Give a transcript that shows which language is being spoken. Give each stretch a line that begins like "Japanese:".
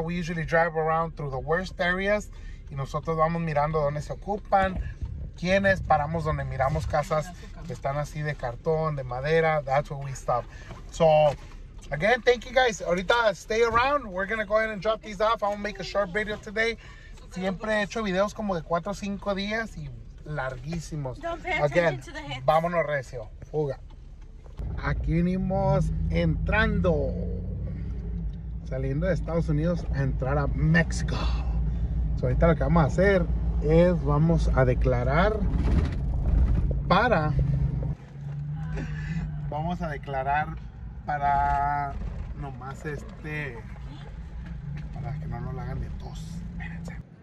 English: We usually drive around through the worst areas.
Spanish: Y nosotros vamos mirando dónde se ocupan, quiénes, paramos donde miramos casas que están así de cartón, de madera.
English: That's where we stop. So, again, thank you guys. Ahorita, stay around. We're going to go ahead and drop these off. I'm going to make a short video today.
Spanish: Siempre he hecho videos como de 4 o 5 días y larguísimos.
English: Again,
Spanish: vámonos recio. Fuga. Aquí venimos entrando. Saliendo de Estados Unidos a entrar a México. So, ahorita lo que vamos a hacer es vamos a declarar para nomás este para que no nos lo hagan de tos. Espérense.